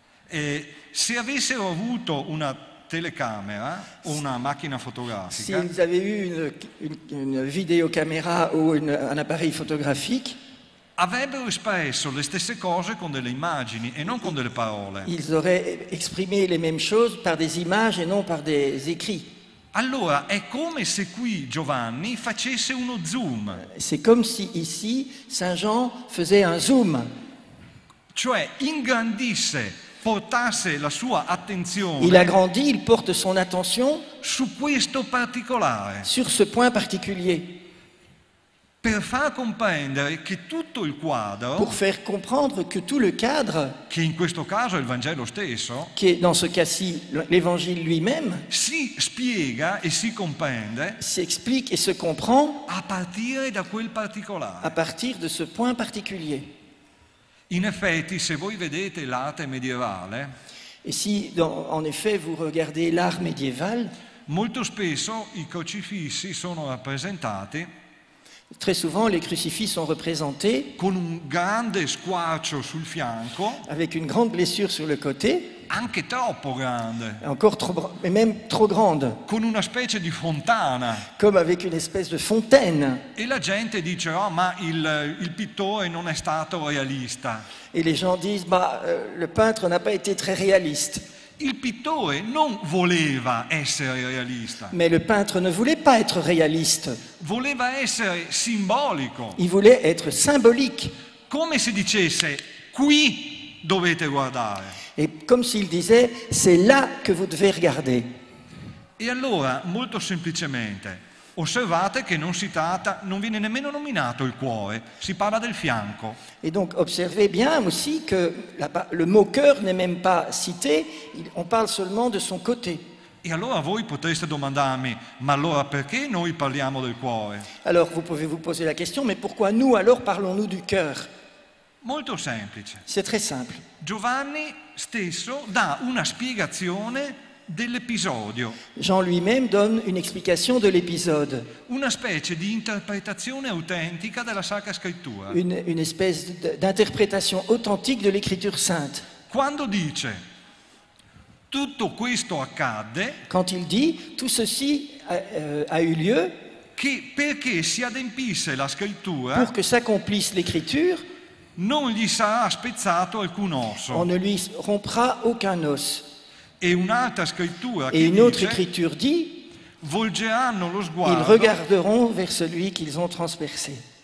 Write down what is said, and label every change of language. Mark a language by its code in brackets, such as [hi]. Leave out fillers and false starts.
[it] E se avessero avuto una telecamera o una macchina fotografica. [fr] Si ils avaient eu une vidéocaméra ou un appareil photographique. [it] Avrebbero espresso le stesse cose con delle immagini e non con delle parole. [fr] Ils auraient exprimé les mêmes choses par des images et non par des écrits. [it] Allora è come se qui Giovanni facesse uno zoom. [fr] C'est comme si ici Saint Jean faisait un zoom. [it] Cioè ingrandisse, portasse la sua attenzione. [fr] Il agrandit, il porte son attention [it] su questo particolare. [fr] Sur ce point particulier. [it] Per far comprendere che tutto il quadro, [fr] pour faire comprendre que tout le cadre, [it] che in questo caso è il Vangelo stesso, che [fr] dans ce cas-ci l'Évangile lui-même, [it] si spiega e si comprende, [fr] s'explique et se comprend, [it] a partire da quel particolare, [fr] à partir de ce point particulier. [it] In effetti, se voi vedete l'arte medievale, [fr] et si en effet vous regardez l'art médiéval, [it] molto spesso i crocifissi sono rappresentati. [fr] Très souvent, les crucifix sont représentés [it] con un grande squarcio sul fianco, [fr] avec une grande blessure sur le côté, [it] anche troppo grande, [fr] encore trop, mais même trop grande, [it] con una specie di fontana, [fr] comme avec une espèce de fontaine. [it] E la gente dice, oh, ma il pittore non è stato realista. [fr] Et les gens disent, bah, le peintre n'a pas été très réaliste. [it] Il pittore non voleva essere realista. [fr] Mais le peintre ne voulait pas être réaliste. [it] Voleva essere simbolico. [fr] Il voulait être symbolique. [it] Come se dicesse, qui dovete guardare. [fr] Et comme s'il disait, c'est là que vous devez regarder. [it] E allora, molto semplicemente, osservate che non si tratta, non viene nemmeno nominato il cuore, si parla del fianco. [fr] Et donc observez bien aussi que le mot cœur n'est même pas cité, on parle seulement de son côté. [it] E allora voi potreste domandarmi, ma allora perché noi parliamo del cuore? [fr] Alors vous pouvez vous poser la question, mais pourquoi nous alors parlons-nous du cœur? [it] Molto semplice. [fr] C'est très simple. [it] Giovanni stesso dà una spiegazione dell'episodio. [fr] Jean lui-même donne une explication de l'épisode. [it] Una specie di interpretazione autentica della Sacra Scrittura. [fr] Une espèce d'interprétation authentique de l'Écriture sainte. [it] Quando dice tutto questo accadde, [fr] quand il dit tout ceci a eu lieu, [it] che perché si adempisse la Scrittura, [fr] pour que s'accomplisse l'Écriture, [it] non gli sarà spezzato alcun osso. [fr] On ne lui rompra aucun os. Et une autre scriture, et une autre écriture dit, [it] volgeranno lo sguardo, [fr] ils regarderont vers celui qu'ils ont transpercé.